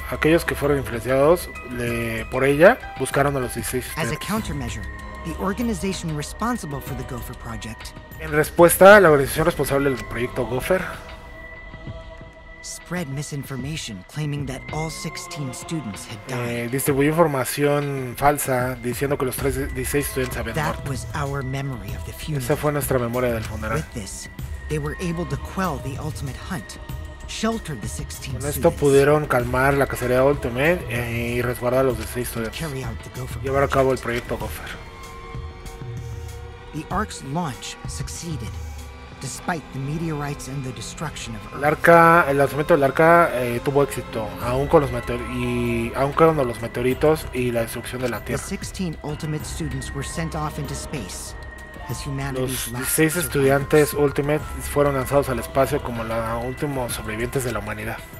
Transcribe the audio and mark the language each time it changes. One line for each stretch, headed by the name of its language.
Spanish: Aquellos que fueron influenciados por ella buscaron a los 16
English: students. As a countermeasure, the organization responsible for the Gopher Project.
Spanish: En respuesta, la organización responsable del proyecto Gopher
English: spread misinformation claiming that all 16 students had died.
Spanish: Distribuyó información falsa diciendo que los 16 estudiantes habían muerto.
English: That was our memory of the funeral.
Spanish: Esa fue nuestra memoria del funeral.
English: With this, they were able to quell the ultimate hunt, shelter the 16.
Spanish: Con esto pudieron calmar la cacería Ultimate y resguardar a los 16 estudiantes. Llevar a cabo el proyecto Gopher.
English: The Ark's launch succeeded, despite the meteorites and the destruction of Earth.
Spanish: El lanzamiento del Arca tuvo éxito, aun con los meteoritos y la destrucción de la Tierra.
English: The 16 Ultimate students were sent off into space as humanity's last survivors.
Spanish: Los 16 estudiantes Ultimate fueron lanzados al espacio como los últimos sobrevivientes de la humanidad.